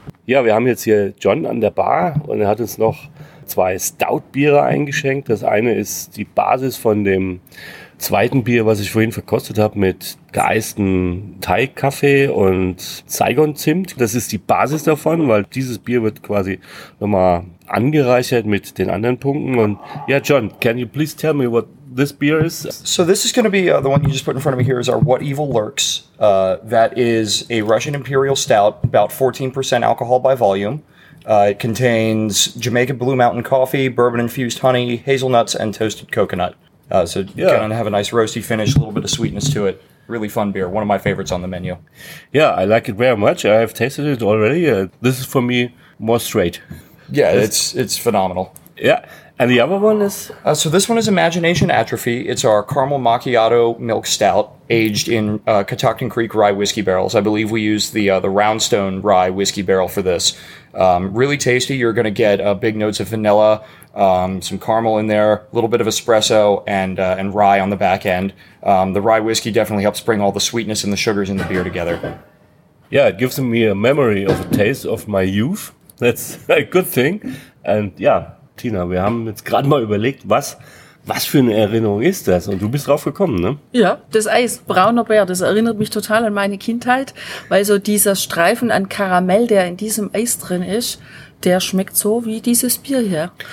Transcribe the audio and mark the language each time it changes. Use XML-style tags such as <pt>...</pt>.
<de>Ja, wir haben jetzt hier John an der Bar und er hat uns noch zwei Stout-Biere eingeschenkt. Das eine ist die Basis von dem zweiten Bier, was ich vorhin verkostet habe, mit geeistem Thai-Kaffee und Saigon-Zimt. Das ist die Basis davon, weil dieses Bier wird quasi nochmal angereichert mit den anderen Punkten. Und ja,</de> <en>John, can you please tell me what this beer is? So this is going to be the one you just put in front of me here is our What Evil Lurks. That is a Russian Imperial Stout, about 14% alcohol by volume. It contains Jamaica Blue Mountain coffee, bourbon-infused honey, hazelnuts, and toasted coconut. So yeah. Kind of have a nice roasty finish, a little bit of sweetness to it. Really fun beer. One of my favorites on the menu. Yeah, I like it very much. I've tasted it already. This is for me more straight. Yeah, it's phenomenal. Yeah. And the other one is? So this one is Imagination Atrophy. It's our Caramel Macchiato Milk Stout, aged in Catoctin Creek rye whiskey barrels. I believe we use the Roundstone rye whiskey barrel for this. Really tasty. You're going to get big notes of vanilla, some caramel in there, a little bit of espresso, and rye on the back end. The rye whiskey definitely helps bring all the sweetness and the sugars in the beer together. Yeah, it gives me a memory of a taste of my youth. That's a good thing. And yeah.</en> <de>Tina, wir haben jetzt gerade mal überlegt, was für eine Erinnerung ist das? Und du bist drauf gekommen, ne? Ja, das Eis, brauner Bär, das erinnert mich total an meine Kindheit, weil so dieser Streifen an Karamell, der in diesem Eis drin ist, der schmeckt so wie dieses Bier hier.</de>